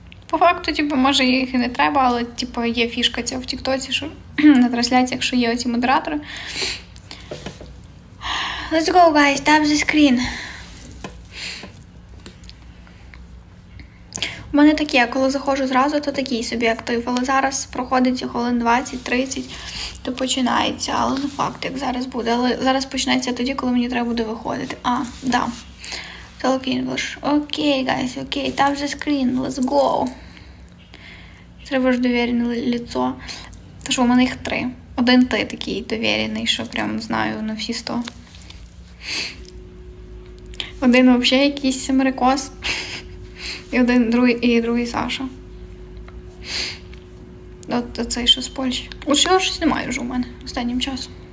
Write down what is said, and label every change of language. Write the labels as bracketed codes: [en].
[uk] По факту, типу, може, їх і не треба, але, типу, є фішка ця в тіктоці, що на трансляціях, що є оці модератори. [en] Let's go, guys, tap the screen. [uk] У мене таке, я коли заходжу зразу, то такий собі актив, але зараз проходить хвилин 20-30, то починається, але не факт, як зараз буде. Але зараз починається тоді, коли мені треба буде виходити. А, да. [en] Talk English. Окей, guys, окей, tap the screen, let's go. [uk] Треба ж довірене лицо. Тож у мене їх три. Один ти такий довірений, що прям знаю на всі 100. Один взагалі якийсь америкос. І один, другий Саша. От цей, що з Польщі. Усього щось немає вже у мене останнім часом.